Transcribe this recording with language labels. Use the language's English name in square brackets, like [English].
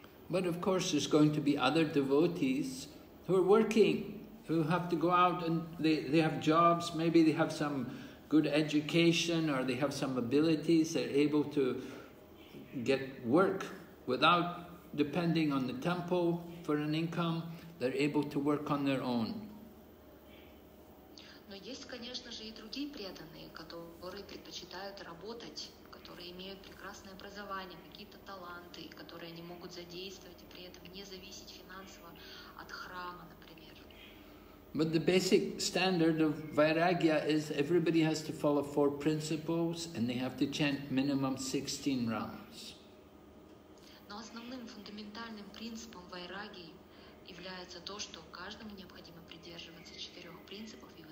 [English] But of course there's going to be other devotees who are working, who have to go out and they have jobs, maybe they have some good education or they have some abilities, they're able to get work without depending on the temple for an income, they're able to work on their own. [Russian] Но есть, конечно же, и другие преданные, которые предпочитают работать, которые имеют прекрасное образование, какие-то таланты, которые они могут задействовать и при этом не зависеть финансово от храма, например. [English] But the basic standard of Vairagya is everybody has to follow four principles and they have to chant minimum 16 rounds. [Russian] Но основным фундаментальным принципом Вайраги является то, что каждому необходимо придерживаться четырех принципов.